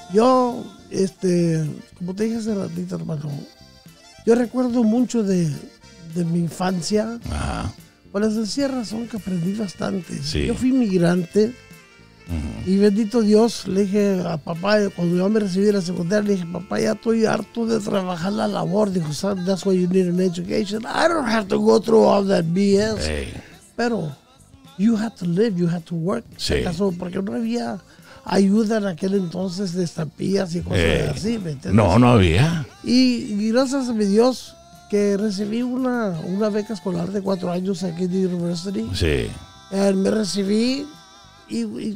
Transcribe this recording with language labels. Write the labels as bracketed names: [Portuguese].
[Spanish] Yo, como te dije hace ratito, hermano, yo recuerdo mucho de mi infancia. Ajá. Por la sencilla razón que aprendí bastante. Sí. Yo fui inmigrante. Uh-huh. Y bendito Dios, le dije a papá, cuando yo me recibí de la secundaria, le dije, papá, ya estoy harto de trabajar la labor. [English] Dijo, that's why you need an education. I don't have to go through all that BS. Hey. [Spanish] Pero [English] you have to live, you have to work. [Spanish] Sí. En caso, porque no había ayuda en aquel entonces de estampillas y cosas así, ¿me entiendes? No, no había. Y gracias a mi Dios que recibí una beca escolar de 4 años aquí en [English] the university. [Spanish] Sí. Me recibí. Y,